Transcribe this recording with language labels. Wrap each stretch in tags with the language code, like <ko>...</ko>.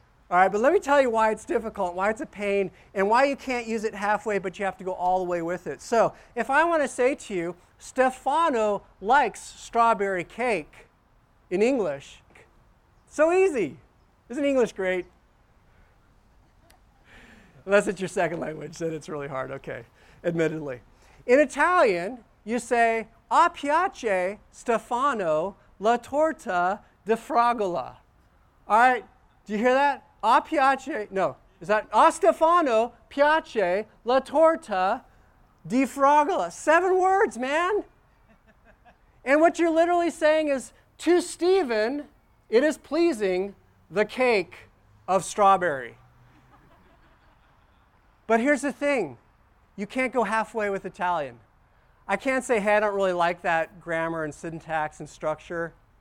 <en>All right, but let me tell you why it's difficult, why it's a pain, and why you can't use it halfway, but you have to go all the way with it. So if I want to say to you, Stefano likes strawberry cake in English, so easy. Isn't English great? Unless it's your second language, then it's really hard, okay, admittedly. In Italian, you say,</en> <it>a piace Stefano la torta di fragola.</it> <en>All right, do you hear that?</en> <it>A piace, no,</it> <en>is that,</en> <it>a Stefano piace la torta di fragola.</it> <en>Seven words, man. And what you're literally saying is, to Stephen, it is pleasing the cake of strawberry. But here's the thing. You can't go halfway with Italian. I can't say, hey, I don't really like that grammar and syntax and structure.</en>